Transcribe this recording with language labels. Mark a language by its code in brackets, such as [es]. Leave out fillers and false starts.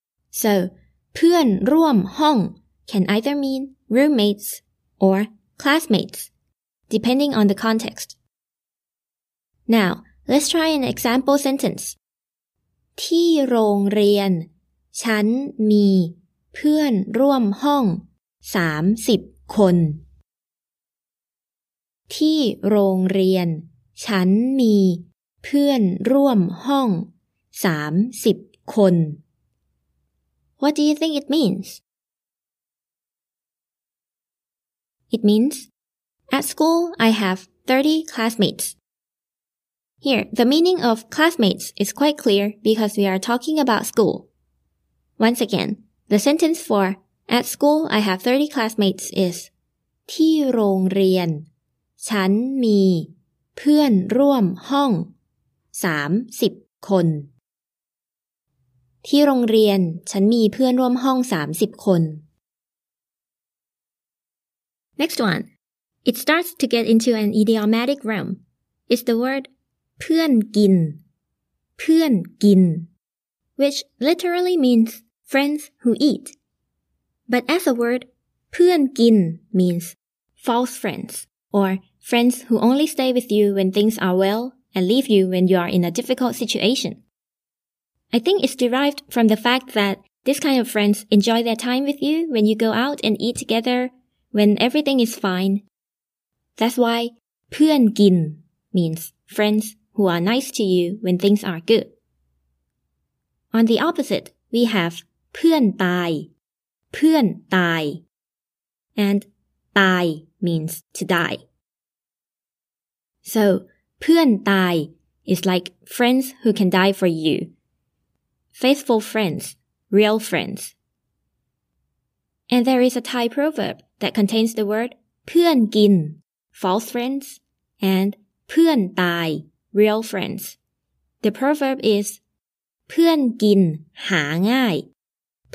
[en] So, เพื่อนร่วมห้อง can either mean roommates or classmates, depending on the context. Now, let's try an example sentence. [th] ที่โรงเรียนฉันมีเพื่อนร่วมห้อง30คนที่โรงเรียนฉันมีเพื่อนร่วมห้อง30คน [en] What do you think it means? It means At school I have 30 classmates. Here, the meaning of classmates is quite clear because we are talking about school. Once again, the sentence for At school, I have 30 classmates is [th] ที่โรงเรียนฉันมีเพื่อนร่วมห้อง30คนที่โรงเรียนฉันมีเพื่อนร่วมห้อง30คน [en] Next one. It starts to get into an idiomatic realm. It's the word [th] เพื่อนกินเพื่อนกิน [en] which literally means friends who eat but as a word เพื่อนกิน means false friends or friends who only stay with you when things are well and leave you when you are in a difficult situation I think it's derived from the fact that this kind of friends enjoy their time with you when you go out and eat together when everything is fine that's why เพื่อนกิน means friendswho are nice to you when things are good. On the opposite, we have เพื่อนตาย เพื่อนตาย and ตาย means to die. So, เพื่อนตาย is like friends who can die for you. Faithful friends, real friends. And there is a Thai proverb that contains the word เพื่อนกิน false friends and เพื่อนตายreal friends. The proverb is เพื่อนกินหาง่าย เ